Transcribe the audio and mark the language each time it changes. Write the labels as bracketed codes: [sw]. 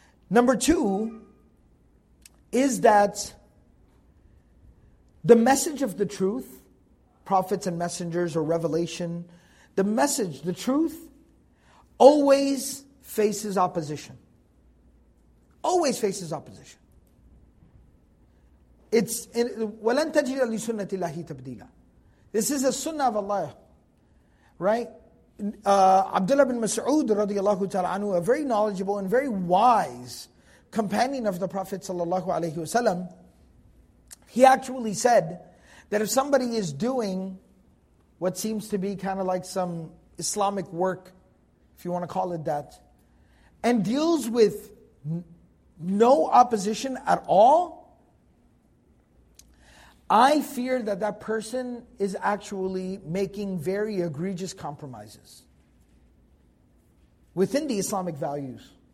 [en] Number two is that the message of the truth, prophets and messengers or revelation, the message, the truth, always faces opposition. Always faces opposition. It's in [ar] وَلَن تَجِدَ لِسُنَّةِ اللَّهِ تَبْدِيلًا. [en] This is a sunnah of Allah. Right? Abdullah bin Mas'ud radiallahu ta'ala anhu, a very knowledgeable and very wise companion of the Prophet sallallahu alayhi wa sallam, he actually said that if somebody is doing what seems to be kind of like some Islamic work, if you want to call it that, and deals with no opposition at all, I fear that that person is actually making very egregious compromises within the Islamic values.